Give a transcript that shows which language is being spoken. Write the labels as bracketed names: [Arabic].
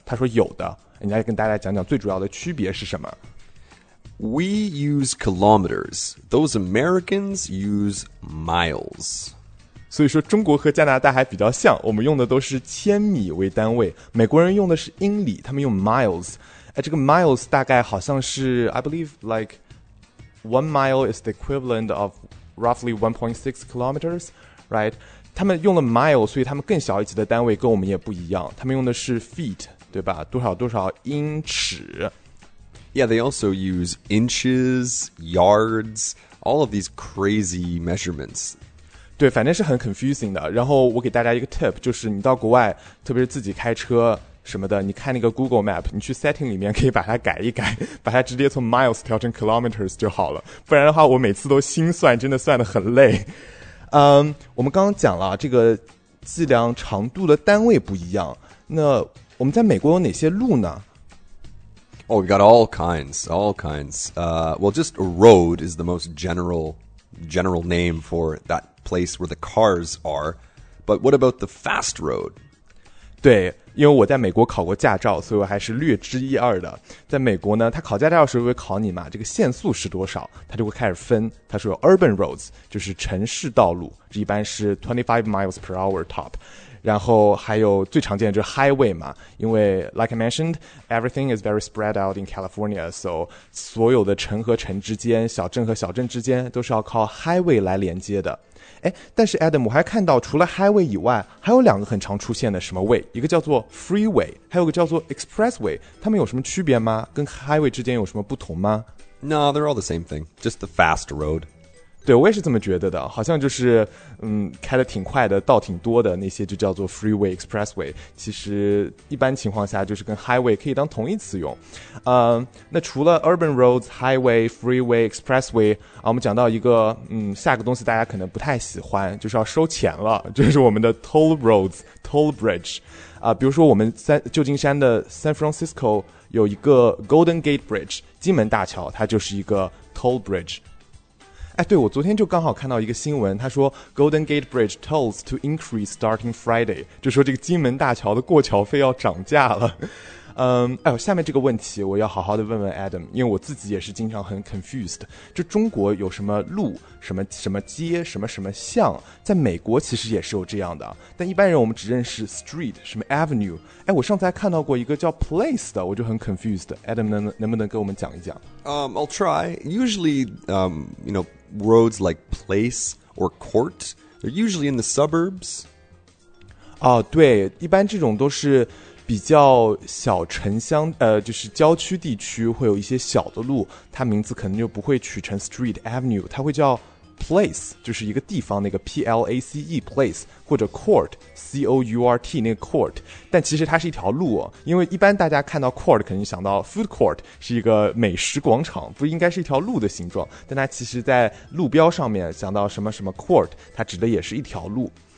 [Chinese] 他说有的，你来跟大家讲讲最主要的区别是什么。 [English] We use kilometers. Those Americans use miles. [Chinese] 所以说中国和加拿大还比较像，我们用的都是千米为单位，美国人用的是英里，他们用 miles。这个 miles 大概好像是 [English] I believe like 1 mile is the equivalent of roughly 1.6 kilometers, right? [Chinese] 他们用了 miles, 所以他们更小一级的单位跟我们也不一样，他们用的是 feet, 对吧？多少多少英尺。 [English] Yeah, they also use inches, yards, all of these crazy measurements. [Chinese] 对，反正是很 confusing 的。然后我给大家一个 tip， 就是你到国外，特别是自己开车什么的，你看那个 Google Map， 你去 setting 里面可以把它改一改，把它直接从 miles 调成 kilometers 就好了。不然的话，我每次都心算，真的算得很累。我们刚刚讲了这个计量长度的单位不一样。那我们在美国有哪些路呢？ [English] Oh, we got all kinds, all kinds. Well, just a road is the most general name for that place where the cars are. But what about the fast road? [Chinese] 对，因为我在美国考过驾照，所以我还是略知一二的。在美国呢，他考驾照的时候会考你嘛，这个限速是多少，他就会开始分。他说 urban roads 就是城市道路，这一般是 [English] 25 miles per hour top。 [Chinese] 然后还有最常见的就是 highway 嘛，因为 [English] like I mentioned, everything is very spread out in California, so [Chinese] 所有的城和城之间，小镇和小镇之间都是要靠 highway 来连接的。诶，但是 Adam, 我还看到除了 highway 以外，还有两个很常出现的什么 way, 一个叫做 freeway, 还有个叫做 expressway, 它们有什么区别吗？跟 highway 之间有什么不同吗？ [English] No, they're all the same thing, just the fast road. [Chinese] 对，我也是这么觉得的，好像就是开得挺快的，道挺多的那些就叫做 freeway expressway， 其实一般情况下就是跟 highway 可以当同义词用。那除了 urban roads, highway, freeway, expressway,我们讲到一个下个东西大家可能不太喜欢，就是要收钱了，就是我们的 toll roads, toll bridge。比如说我们旧金山的 San Francisco 有一个 Golden Gate Bridge, 金门大桥，它就是一个 toll bridge。哎，对，我昨天就刚好看到一个新闻，他说 [English] Golden Gate Bridge tolls to increase starting Friday， [Chinese] 就说这个金门大桥的过桥费要涨价了。哎呦，下面这个问题我要好好的问问 Adam， 因为我自己也是经常很 confused， 就中国有什么路什么什么街什么什么巷，在美国其实也是有这样的，但一般人我们只认识 street 什么 avenue。哎，我上次还看到过一个叫 place 的，我就很 confused， Adam 能不能跟我们讲一讲。 [English] I'll try. Usually you knowroads like place or court, they're usually in the suburbs. [Chinese] 哦，对，一般这种都是比较小城乡，就是郊区地区会有一些小的路，它名字可能就不会取成 street avenue, 它会叫 place, 就是一个地方那个 place, place, 或者 court, c-o-u-r-t, 那个 court, 但其实它是一条路，因为一般大家看到 court 可能想到 food court, 是一个美食广场，不应该是一条路的形状，但它其实在路标上面想到什么什么 court, 它指的也是一条路。